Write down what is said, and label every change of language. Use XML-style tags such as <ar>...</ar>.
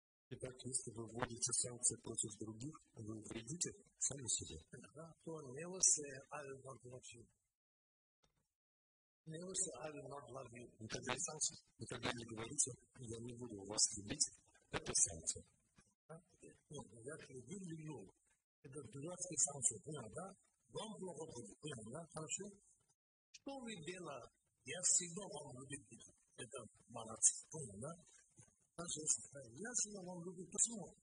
<ru>Итак, если вы вводите санкции против других, вы вредите сами себе.</ru> <en>So never say I will not love you. Never say I will not love you.</en> <ru>Никогда санкции. Никогда не говорите, я не буду вас любить. Это санкция. Я люблю, люблю. Это дурацкие санкции. Понятно? Вам плохо будет. Понятно? Хорошо? Что вы делаете? Я всегда вам люблю. Это молодцы. Понятно? Я всегда вам люблю. Почему?</ru>